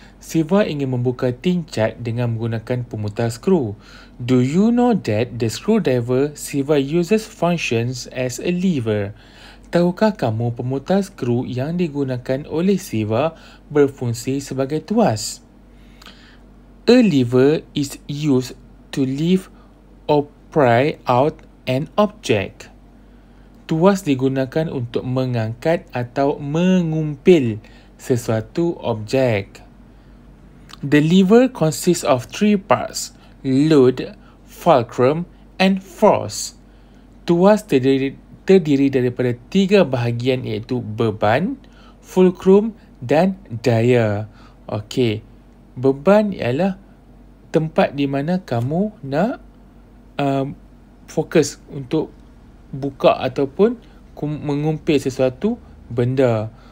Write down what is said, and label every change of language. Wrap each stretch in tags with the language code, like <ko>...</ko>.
<ms>Siva ingin membuka tin cat dengan menggunakan pemutar skru.</ms> <en>Do you know that the screwdriver Siva uses functions as a lever?</en> <ms>Tahukah kamu pemutar skru yang digunakan oleh Siva berfungsi sebagai tuas?</ms> <en>A lever is used to lift or pry out an object.</en> <ms>Tuas digunakan untuk mengangkat atau mengumpil sesuatu objek.</ms> <en>The lever consists of three parts: load, fulcrum and force.</en> <ms>Tuas terdiri daripada tiga bahagian iaitu beban, fulcrum dan daya. Okey. Beban ialah tempat di mana kamu nak fokus untuk buka ataupun mengumpil sesuatu benda.</ms>